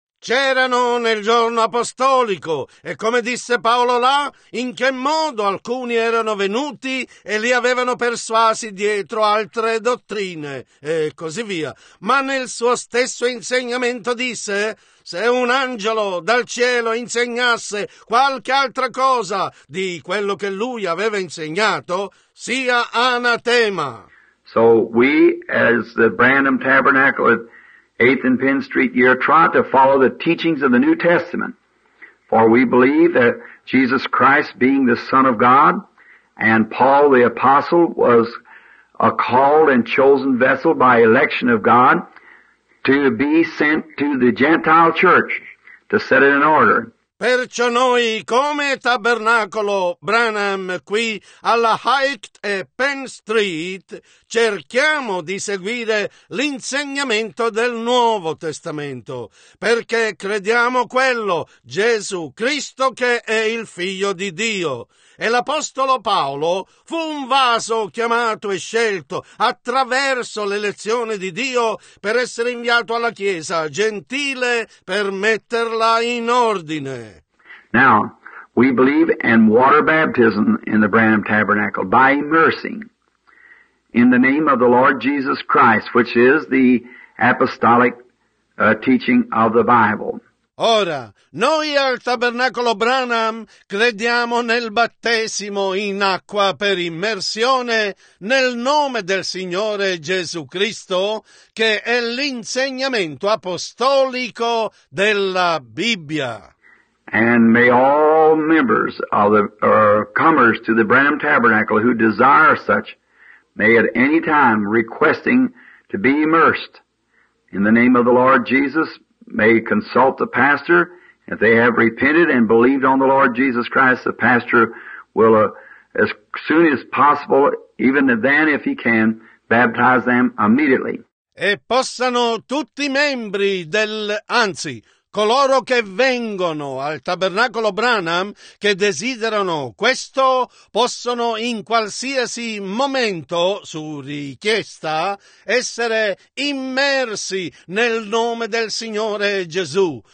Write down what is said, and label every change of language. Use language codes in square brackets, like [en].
[it] C'erano nel giorno apostolico, e come disse Paolo là, in che modo alcuni erano venuti e li avevano persuasi dietro altre dottrine, e così via. Ma nel suo stesso insegnamento disse: se un angelo dal cielo insegnasse qualche altra cosa di quello che lui aveva insegnato, sia anatema. [en] So we, as the Branham Tabernacle, 8th and Penn Street, you try to follow the teachings of the New Testament. For we believe that Jesus Christ being the Son of God and Paul the Apostle was a called and chosen vessel by election of God to be sent to the Gentile church to set it in order. [it] Perciò noi, come tabernacolo Branham qui alla Hyde e Penn Street, cerchiamo di seguire l'insegnamento del Nuovo Testamento, perché crediamo quello, Gesù Cristo, che è il Figlio di Dio. E l'Apostolo Paolo fu un vaso chiamato e scelto attraverso l'elezione di Dio per essere inviato alla Chiesa gentile per metterla in ordine. [en] Now, we believe in water baptism in the Branham Tabernacle by immersing in the name of the Lord Jesus Christ, which is the apostolic teaching of the Bible. [it] Ora, noi al Tabernacolo Branham crediamo nel battesimo in acqua per immersione nel nome del Signore Gesù Cristo, che è l'insegnamento apostolico della Bibbia. [en] And may all members of the comers to the Branham Tabernacle who desire such, may at any time requesting to be immersed in the name of the Lord Jesus, may consult the pastor. If they have repented and believed on the Lord Jesus Christ, the pastor will, as soon as possible, even then if he can, baptize them immediately. [it] E possano tutti i membri del, anzi, coloro che vengono al Tabernacolo Branham, che desiderano questo, possono in qualsiasi momento, su richiesta, essere immersi nel nome del Signore Gesù.